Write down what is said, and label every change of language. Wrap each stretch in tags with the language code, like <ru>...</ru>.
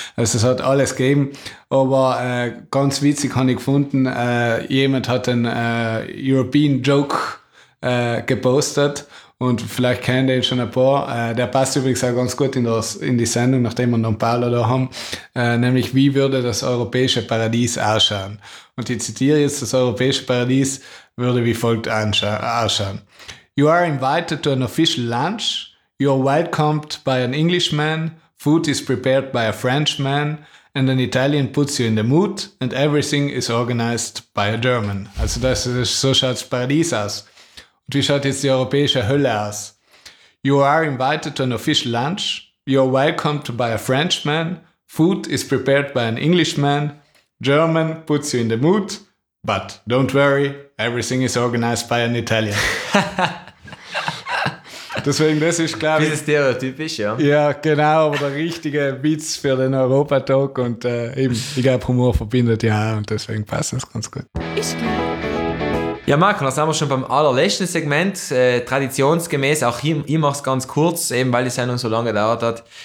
<de>Also es hat alles gegeben. Aber ganz witzig habe ich gefunden, jemand hat einen European Joke gepostet, und vielleicht kennen den schon ein paar. Der passt übrigens auch ganz gut in die Sendung, nachdem wir noch ein paar da haben. Nämlich, wie würde das europäische Paradies ausschauen? Und ich zitiere jetzt: Das europäische Paradies würde wie folgt ausschauen.</de> <en>You are invited to an official lunch. You are welcomed by an Englishman. Food is prepared by a Frenchman. And an Italian puts you in the mood. And everything is organized by a German.</en> <de>Also das ist, so schaut das Paradies aus. Und wie schaut jetzt die europäische Hölle aus?</de> <en>You are invited to an official lunch. You are welcomed by a Frenchman. Food is prepared by an Englishman. German puts you in the mood. But don't worry, everything is organized by an Italian.</en> <de>Deswegen, das ist, glaube ich... Das ist stereotypisch, ja. Ja, genau, aber der richtige Witz für den Europa-Talk. Und eben, ich glaube, Humor verbindet ja, und deswegen passt das ganz gut. Ich glaube. Ja, Marco, da sind wir schon beim allerletzten Segment. Traditionsgemäß, auch hier, ich mache es ganz kurz, eben weil die Sendung so lange gedauert hat.</de>